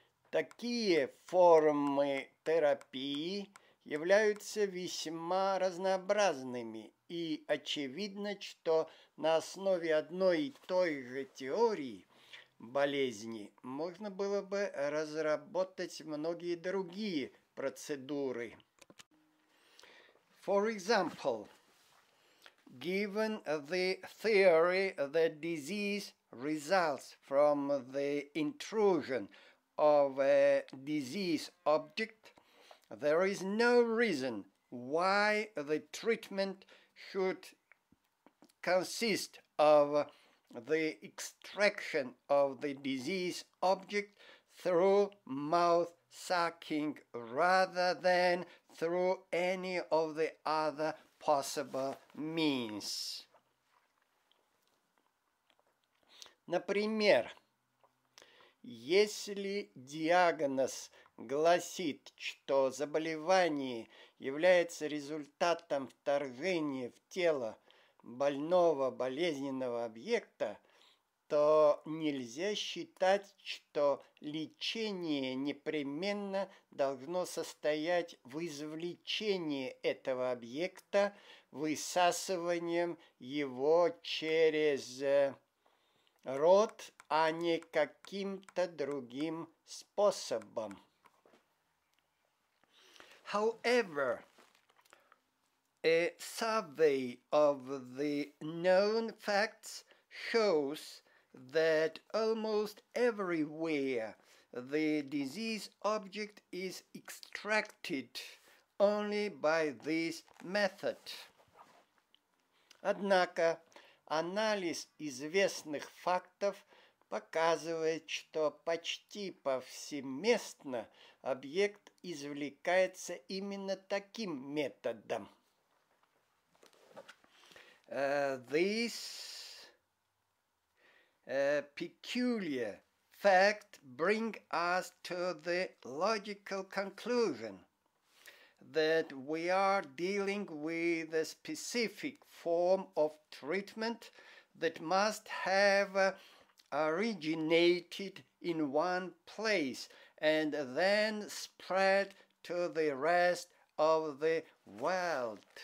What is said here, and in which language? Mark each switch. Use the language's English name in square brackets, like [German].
[Russian] Такие формы терапии являются весьма разнообразными, и очевидно, что на основе одной и той же теории болезни можно было бы разработать многие другие процедуры. [English] For example, given the theory that disease results from the intrusion of a disease object, there is no reason why the treatment should consist of the extraction of the disease object through mouth sucking rather than through any of the other possible means. [Russian] Например, если диагноз гласит, что заболевание является результатом вторжения в тело больного болезненного объекта, то нельзя считать, что лечение непременно должно состоять в извлечении этого объекта высасыванием его через рот, а не каким-то другим способом. [English] However, a survey of the known facts shows that almost everywhere the disease object is extracted only by this method. [Russian] Однако, анализ известных фактов показывает, что почти повсеместно объект извлекается именно таким методом. [English] This peculiar fact brings us to the logical conclusion that we are dealing with a specific form of treatment that must have originated in one place and then spread to the rest of the world.